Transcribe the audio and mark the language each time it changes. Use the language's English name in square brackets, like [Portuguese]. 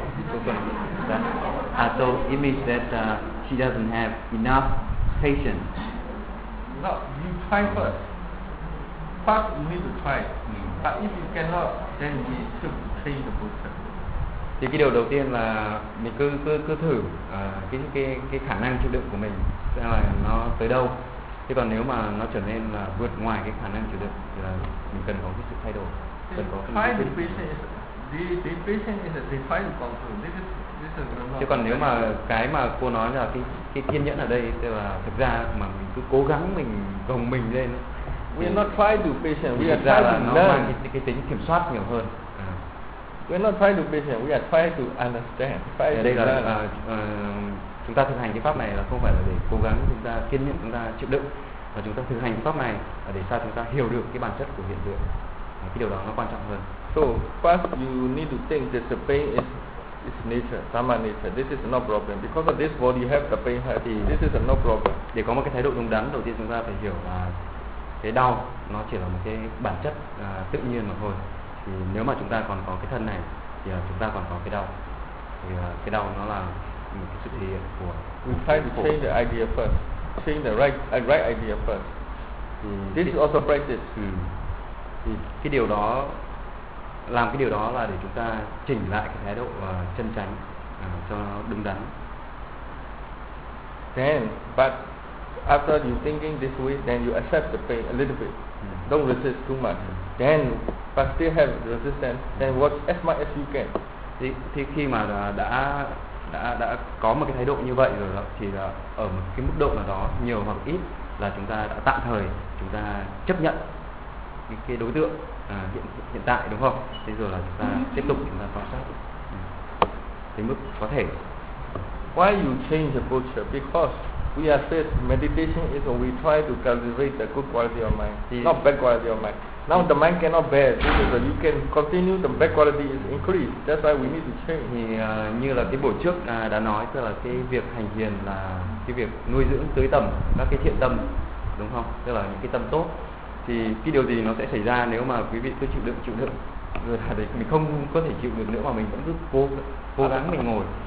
[English] So it means that she doesn't have enough patience. No, you try first. First, you need to try. But if you cannot, then you should change the position. [Vietnamese] Thì cái điều đầu tiên là mình cứ thử cái khả năng chịu đựng của mình xem là nó tới đâu. Thế còn nếu mà nó trở nên là vượt ngoài cái khả năng chịu đựng thì là mình cần có cái sự thay đổi. [English] Define the patient is the patient is a defined control. [Vietnamese] Chứ còn nếu mà cái mà cô nói là cái kiên nhẫn ở đây tức là thực ra mà mình cứ cố gắng mình gồng mình lên. [English] We are not try to patient. We are try to learn. [Vietnamese] Nó mang cái tính kiểm soát nhiều hơn. [English] We are not try to patient. We are try to understand. Try to [Vietnamese] đây là chúng ta thực hành cái pháp này là không phải là để cố gắng chúng ta kiên nhẫn chúng ta chịu đựng mà chúng ta thực hành pháp này là để sao chúng ta hiểu được cái bản chất của hiện tượng. Cái điều đó nó quan trọng hơn. [English] So first you need to think that the pain is it's nature, sama nature. This is no problem. Because of this body have the pain, [Vietnamese] thì [English] this is no problem. [Vietnamese] Để có một cái thái độ đúng đắn, đầu tiên chúng ta phải hiểu là cái đau nó chỉ là một cái bản chất tự nhiên mà thôi. Thì nếu mà chúng ta còn có cái thân này, thì chúng ta còn có cái đau. Thì cái đau nó là một cái sự thể hiện của. [English] We try to change the idea first. Change the right idea first. This is also practice. [Vietnamese] Thì cái điều đó. Làm cái điều đó là để chúng ta chỉnh lại cái thái độ chân chánh cho nó đúng đắn. [English] Then, but after you thinking this way, then you accept the pain a little bit. Don't resist too much. Then, but still have resistance, then work as much as you can. [Vietnamese] Thì khi mà đã có một cái thái độ như vậy rồi đó, thì là ở một cái mức độ nào đó, nhiều hoặc ít, là chúng ta đã tạm thời, chúng ta chấp nhận cái đối tượng. Hiện tại đúng không? Thế rồi là chúng ta tiếp tục chúng ta quan sát đến mức có thể. [English] Why you change the posture? Because we are said meditation is when we try to cultivate the good quality of mind, not bad quality of mind. Now the mind cannot bear, so you can continue the bad quality is increased. That's why we need to change. [Vietnamese] Thì như là cái buổi trước đã nói, tức là cái việc hành thiền là cái việc nuôi dưỡng tưới tầm các cái thiện tâm, đúng không? Tức là những cái tâm tốt. Thì cái điều gì nó sẽ xảy ra nếu mà quý vị cứ chịu đựng rồi là để mình không có thể chịu được nữa mà mình vẫn cứ cố gắng mình ngồi.